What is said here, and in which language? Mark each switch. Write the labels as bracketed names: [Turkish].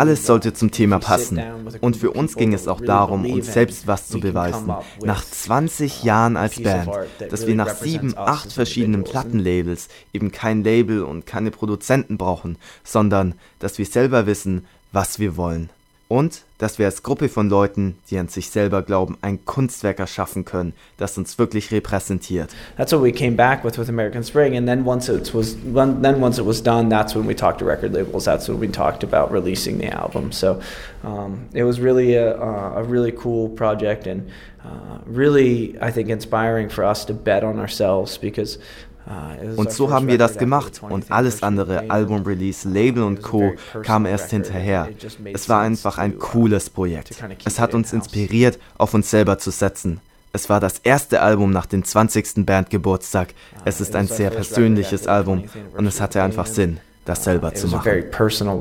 [German] Alles sollte zum Thema passen. Und für uns ging es auch darum, uns selbst was zu beweisen. Nach 20 Jahren als Band, dass wir nach 7, 8 verschiedenen Plattenlabels eben kein Label und keine Produzenten brauchen, sondern dass wir selber wissen, was wir wollen. Und dass wir als Gruppe von Leuten, die an sich selber glauben, ein Kunstwerk erschaffen können, das uns wirklich repräsentiert. [English] That's what we came back with American Spring, and then once it was done, that's when we talked to record labels. That's when we talked about releasing the album. So it was really a really cool project and really I think inspiring for us to bet on ourselves because. [German] Und so haben wir das gemacht und alles andere, Album, Release, Label und Co. kam erst hinterher. Es war einfach ein cooles Projekt. Es hat uns inspiriert, auf uns selber zu setzen. Es war das erste Album nach dem 20. Bandgeburtstag. Es ist ein sehr persönliches Album und es hatte einfach Sinn, das selber zu machen. Es war ein sehr persönliches